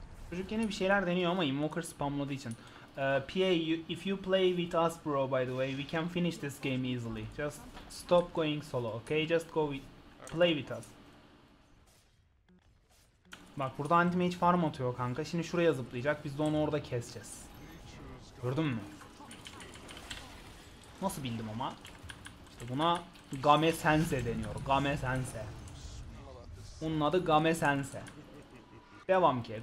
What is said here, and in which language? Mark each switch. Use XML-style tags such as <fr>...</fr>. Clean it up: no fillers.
<tr>Çocuk yine bir şeyler deniyor ama invoker spamladığı için.</tr> <en>PA, if you play with us bro by the way, we can finish this game easily. Just stop going solo, okay? Just go with, play with us.</en> <tr>Bak, burada anti-mage farm atıyor kanka. Şimdi şuraya zıplayacak, biz de onu orada keseceğiz. Gördün mü? Nasıl bildim ama? İşte buna Game Sense deniyor. Game Sense. Onun adı Game Sense. Devam ki.</tr>